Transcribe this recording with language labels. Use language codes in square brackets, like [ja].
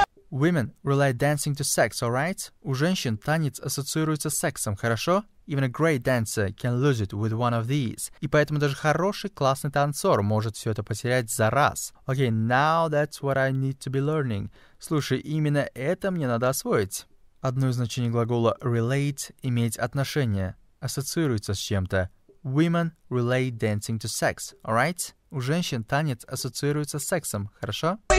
[en] Women relate dancing to sex, alright? [ru] У женщин танец ассоциируется с сексом, хорошо? [en] Even a great dancer can lose it with one of these. [ru] И поэтому даже хороший, классный танцор может все это потерять за раз. [en] Okay, now that's what I need to be learning. [ru] Слушай, именно это мне надо освоить. Одно из значений глагола relate — иметь отношение, ассоциируется с чем-то. [en] Women relate dancing to sex, alright? [ru] У женщин танец ассоциируется с сексом, хорошо?